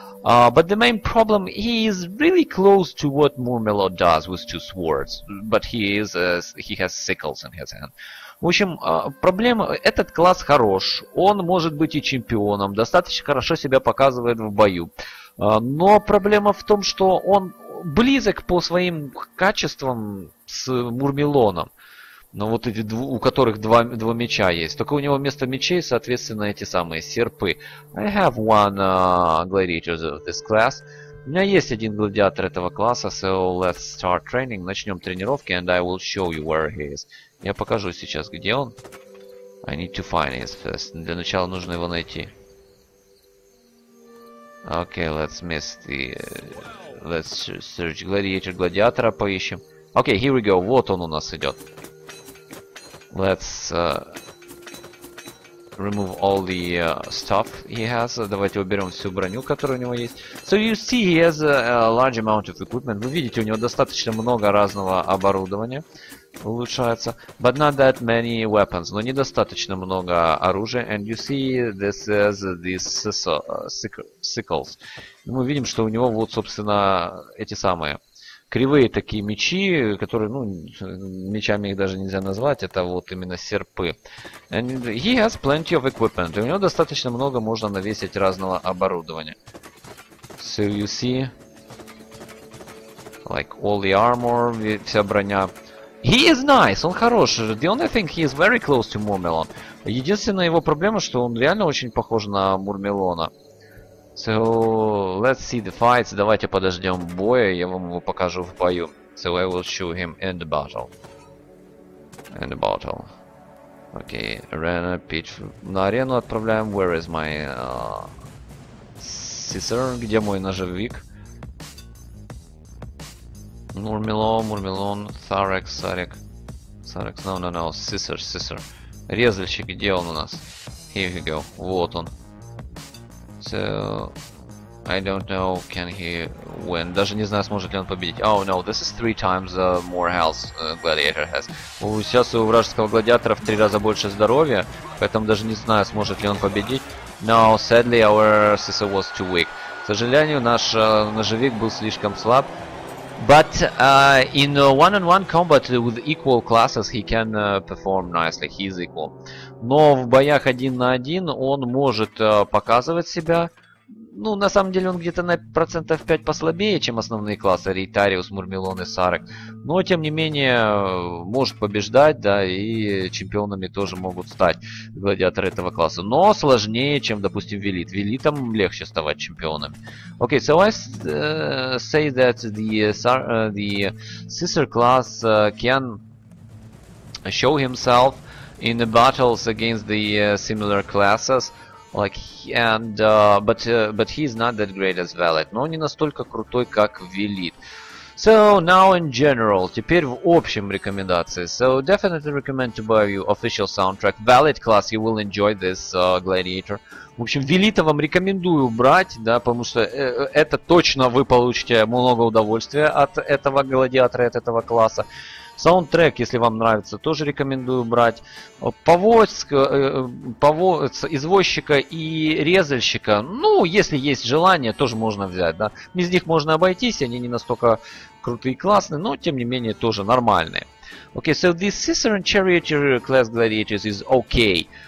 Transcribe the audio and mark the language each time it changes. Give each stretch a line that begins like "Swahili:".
English: But the main problem, he is really close to what Murmelo does with two swords, but he has sickles in his hand.
Russian: В общем, проблема, этот класс хорош, он может быть и чемпионом, достаточно хорошо себя показывает в бою. Но проблема в том, что он близок по своим качествам с Мурмелоном. Но вот эти у которых два меча есть. Только у него вместо мечей, соответственно, эти самые серпы.
English: I have one gladiator of this class.
Russian: У меня есть один гладиатор этого класса.
English: So let's start training.
Russian: Начнем тренировки,
English: and I will show you where he is.
Russian: Я покажу сейчас, где он.
English: I need to find his first.
Russian: Для начала нужно его найти.
English: Okay, let's miss the... Let's search gladiator,
Russian: гладиатора поищем.
English: Okay, here we go.
Russian: Вот он у нас идет.
English: Let's remove all the stuff he has.
Russian: Давайте уберем всю броню, которая у него есть.
English: So you see, he has a large amount of equipment.
Russian: Вы видите, у него достаточно много разного оборудования улучшается.
English: But not that many weapons.
Russian: Но недостаточно много оружия.
English: And you see, this is the sickles.
Russian: Мы видим, что у него вот, собственно, эти самые... Кривые такие мечи, которые, ну, мечами их даже нельзя назвать, это вот именно серпы.
English: And he has plenty of equipment.
Russian: И у него достаточно много можно навесить разного оборудования.
English: So you see, like all the armor,
Russian: вся броня.
English: He is nice,
Russian: он хорош.
English: The only thing, he is very close to Murmelon.
Russian: Единственная его проблема, что он реально очень похож на Мурмелона.
English: So, let's see the fights.
Russian: Давайте подождем боя, я вам его покажу в бою.
English: So, I will show him in the battle. In the battle. Okay, arena, pitch.
Russian: На арену отправляем.
English: Where is my...
Russian: Scissor? Где мой ножевик? Мурмело, Мурмелон, Сарек, Сарек. Сарек,
English: no.
Russian: Scissor. Резальщик, где он у нас?
English: Here we go.
Russian: Вот он.
English: So, I don't know, can he win?
Russian: Даже не знаю, сможет ли он победить.
English: Oh no, this is three times more health gladiator has.
Russian: Сейчас у вражеского гладиатора в три раза больше здоровья, поэтому даже не знаю, сможет ли он победить.
English: No, sadly, our scissor was too weak.
Russian: К сожалению, наш ножевик был слишком слаб.
English: But in one-on-one combat with equal classes he can perform nicely, he is equal.
Russian: Но в боях один на один он может показывать себя. Ну, на самом деле он где-то на процентов 5 послабее, чем основные классы Рейтариус, Мурмелон и Сарек. Но, тем не менее, может побеждать, да, и чемпионами тоже могут стать гладиаторы этого класса. Но сложнее, чем, допустим, Велит. Велитам легче ставать чемпионами.
English: Okay, so I say that the Scissor class can show himself in the battles against the similar classes. Like and but he's not that great as Valet.
Russian: Но не настолько крутой, как Велит.
English: So now in general,
Russian: теперь в общем рекомендации.
English: So definitely recommend to buy you official soundtrack. Valet class, you will enjoy this Gladiator.
Russian: В общем, Велита вам рекомендую брать, да, потому что это точно вы получите много удовольствия от этого гладиатора, от этого класса. Саундтрек, если вам нравится, тоже рекомендую брать. Извозчика и резальщика, ну, если есть желание, тоже можно взять, да. Без них можно обойтись, они не настолько крутые и классные, но, тем не менее, тоже нормальные.
English: Okay, so this Scissor and Charioteer class gladiators is okay.